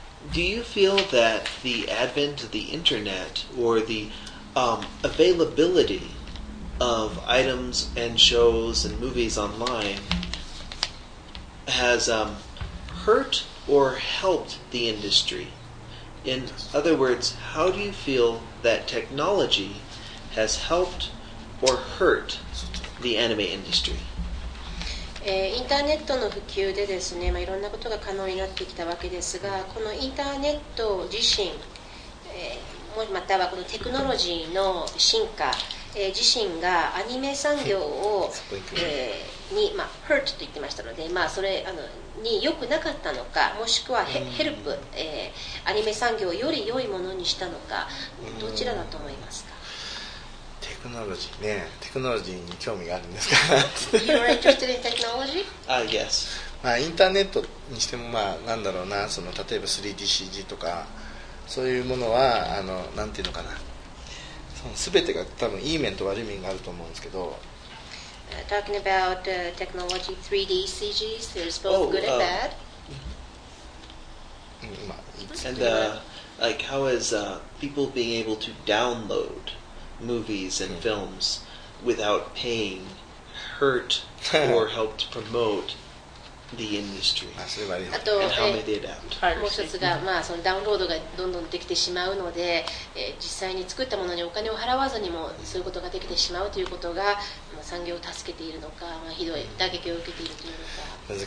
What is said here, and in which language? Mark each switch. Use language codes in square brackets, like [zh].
[en] Do you feel that the advent of the internet or the availability of items and shows and movies online has hurt or helped the industry? In other words, how do you feel that technology has helped or hurt the anime industry? [ja] インターネットの普及でですね、まあ、いろんなことが可能になってきたわけですが、このインターネット自身、またはこのテクノロジーの進化、自身がアニメ産業を、に、まあ、hurt と言ってましたので、まあ、それあのに良くなかったのか、もしくは help、アニメ産業をより良いものにしたのか、どちらだと思いますか？テクノロジーね、テクノロジーに興味があるんですか [en] You're interested in technology? Ah, yes. [ja] まあ、インターネットにしても、まあ、なんだろうな、その、例えば 3DCG とか、そういうものは、あの、なんていうのかな、その、すべてが多分、いい面と悪い面があると思うんですけど。 [en] Talking about technology 3DCG, there's both good and bad. まあ、And, like, how is people being able to downloadmovies and films without paying hurt or helped promote the industry and how may they adapt [ja] もう一つが、まあ、そのダウンロードがどんどんできてしまうので、実際に作ったものにお金を払わずにもそういうことができてしまうということが、まあ、産業を助けているのか、まあ、ひどい打撃を受けているというのか